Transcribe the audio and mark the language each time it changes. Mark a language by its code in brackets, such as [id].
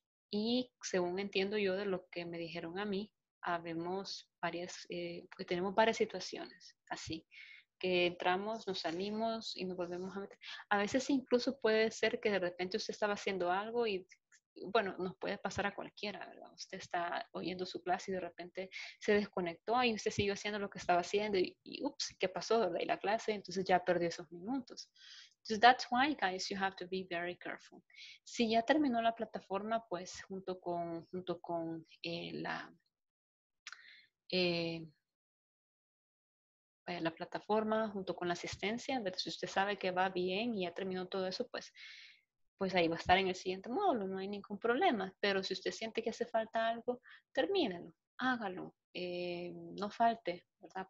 [es] Y según entiendo yo de lo que me dijeron a mí, tenemos varias situaciones así, que entramos, nos salimos y nos volvemos a meter. A veces incluso puede ser que de repente usted estaba haciendo algo y, bueno, nos puede pasar a cualquiera, ¿verdad? Usted está oyendo su clase y de repente se desconectó y usted siguió haciendo lo que estaba haciendo y ups, ¿qué pasó? ¿Verdad? Y la clase, entonces ya perdió esos minutos. [en] So that's why, guys, you have to be very careful. [es] Si ya terminó la plataforma, pues, junto con la plataforma, junto con la asistencia, si usted sabe que va bien y ya terminó todo eso, pues, pues ahí va a estar en el siguiente módulo, no hay ningún problema. Pero si usted siente que hace falta algo, termínelo, hágalo, no falte, ¿verdad?